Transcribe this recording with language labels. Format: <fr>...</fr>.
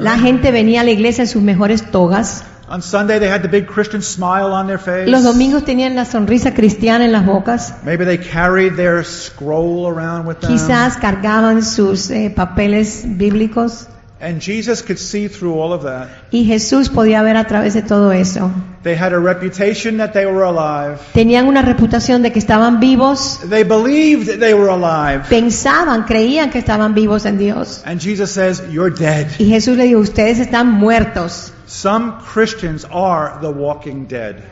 <es>La gente venía a la iglesia en sus mejores togas.</es> <en>On Sunday they had the big Christian smile on their face.</en> <es>Los domingos tenían la sonrisa cristiana en las bocas.</es> <en>Maybe they carried their scroll around with them.</en> <es>Quizás cargaban sus papeles bíblicos.</es> <en>And Jesus could see through all of that.</en> <es>Y Jesús podía ver a través de todo eso.</es> <en>They had a reputation that they were alive.</en> <es>Tenían una reputación de que estaban vivos.</es> <en>They believed they were alive.</en> <es>Pensaban, creían que estaban vivos en Dios.</es> <en>And Jesus says, "You're dead."</en> <es>Y Jesús le dijo, ustedes están muertos.</es> <en>Some Christians are the walking dead.</en>